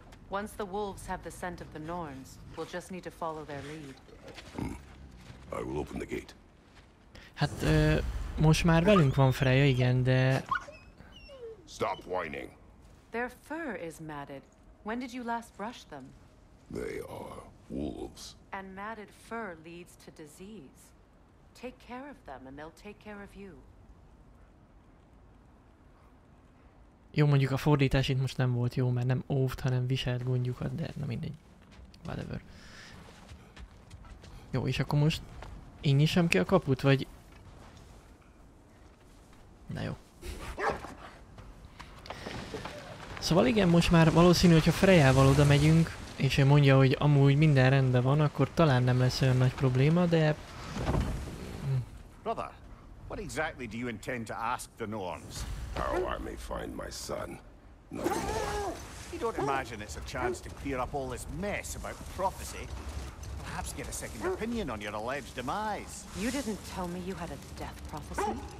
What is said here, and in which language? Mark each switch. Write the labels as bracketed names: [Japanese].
[English] Once the wolves have the scent of the Norns, we'll just need to follow their lead. I will open the gate. [Hungarian] Hát, most már velünk van Freja, igen, de... [English] Stop whining. Their fur is matted. When did you last brush them? They are wolves. And matted fur leads to disease. Take care of them and they'll take care of you. [Hungarian] Jó, mondjuk a fordítás itt most nem volt jó, mert nem óvt, hanem viselt gondjukat, de na mindegy. [English] Whatever. [Hungarian] Jó, és akkor most én nyissam ki a kaput, vagy... Na jó. Szóval igen, most már valószínű, hogyha Frejával oda megyünk, és ő mondja, hogy amúgy minden rendben van, akkor talán nem lesz olyan nagy probléma, de... [English] Brother, what exactly do you intend to ask the Norns? How I may find my son. Not more. You don't imagine it's a chance to clear up all this mess about prophecy? Perhaps get a second opinion on your alleged demise. You didn't tell me you had a death prophecy?